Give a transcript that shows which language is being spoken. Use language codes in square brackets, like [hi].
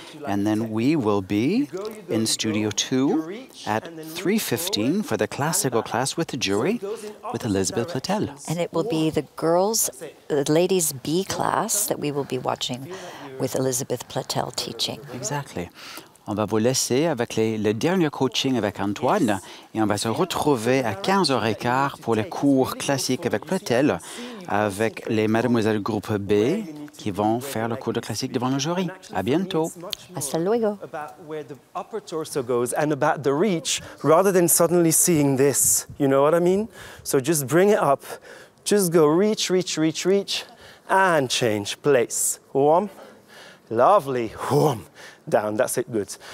[en] And then we will be in Studio 2 at 3:15 for the classical class with the jury, with Elizabeth Platel. And it will be the girls, the ladies' B class that we will be watching with Elizabeth Platel teaching. Exactly. [fr] On va vous laisser avec le dernier coaching avec Antoine et on va se retrouver à 15h15 pour les cours classiques avec Platel, avec les mademoiselles groupe B qui vont faire le cours de classique devant le jury. À bientôt. [es] Hasta luego. [en] About where the upper torso goes and about the reach rather than suddenly seeing this. You know what I mean? So just bring it up. Just go reach, reach, reach, reach, and change place. Warm, lovely, warm, down, that's it, good.